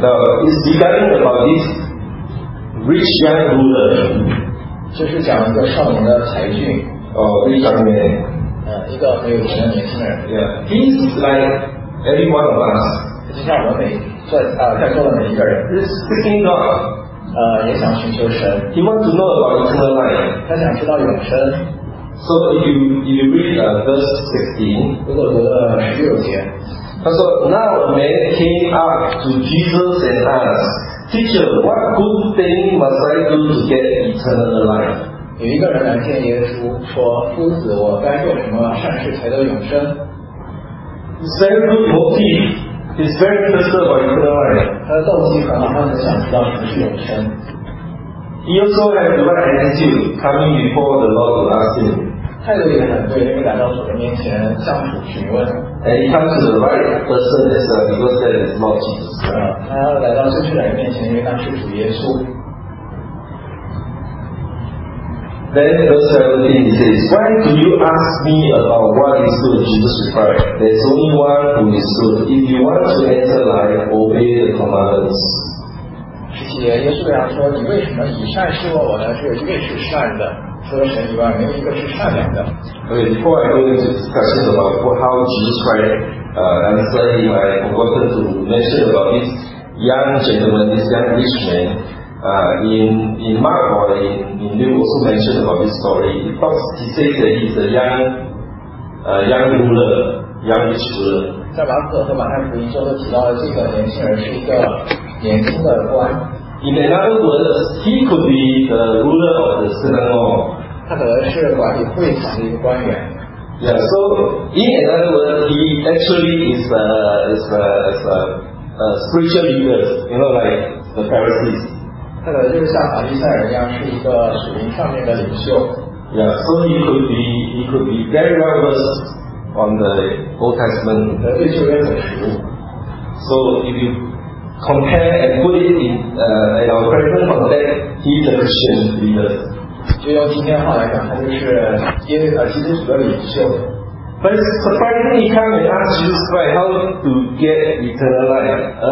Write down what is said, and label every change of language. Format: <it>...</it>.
<en>Now, it's regarding about this rich young ruler.</en> <zh>就是讲一个少年的才俊。非常年。一个很有钱的年轻人。</zh> <en>Yeah, he's like every one of us.</en> <zh>就像我们在座的每一个人。</zh> <en>He's seeking God.</en> <zh>也想寻求神。</zh> <en>He wants to know about eternal life.</en> <zh>他想知道永生。</zh> <en>So if you read verse 16.</en> <zh>如果读十六节。他说</zh> <en>，Now a man came up to Jesus and asked. Teacher, what good thing must I do to get eternal life?</en> <zh>有一个人来见耶稣，说：“夫子，我该做什么善事才得永生？”</zh> <en>It's very good motive. It's very interested about eternal life.</en> <zh>他的动机很好，他很想知道什么是永生。</zh> <en>He also has the right attitude coming before the Lord to ask him.</en> <zh>态度也很对，因为来到主的面前向主询问。</zh> <en>And he comes to the right person as a because that is not Jesus.</en> <zh>他来到正确的人面前，因为他是主耶稣。</zh> <en>Then verse 17 says, "Why do you ask me about what is good?" Jesus replied, "There is only one who is good. If you want to enter life, obey the commandments."</en> <zh>十七节，耶稣对他说：“你为什么以善事问我呢？只有一位是善的。” 除了神以外，没有一个是善良的。</zh> <en>Okay, before I go into discussion about how Jesus Christ answered him, I forgot to mention about this young gentleman, this young rich man. In Mark or in Luke also mentioned about this story. He says that he's a young ruler, young rich ruler.</en> <zh>在马可和马太福音中都提到了这个年轻人是一个年轻的官。</zh> <en>In another words, he could be the ruler of the synagogue.</en> <zh>他可能是管理会堂的一个官员。</zh> <en>Yeah, so in another words, he actually is a spiritual leader, you know, like the Pharisees.</en> <zh>他可能就是像法利赛人一样，是一个属灵上面的领袖。</zh> <en>Yeah, so he could be very well versed on the Old Testament. So if you compare and put it in our present context, he's a Christian leader.</en> <zh>就用今天话来讲，他就是耶基督徒的领袖。</zh> <en>But it's surprising he come and ask Jesus Christ how to get eternal life.</en>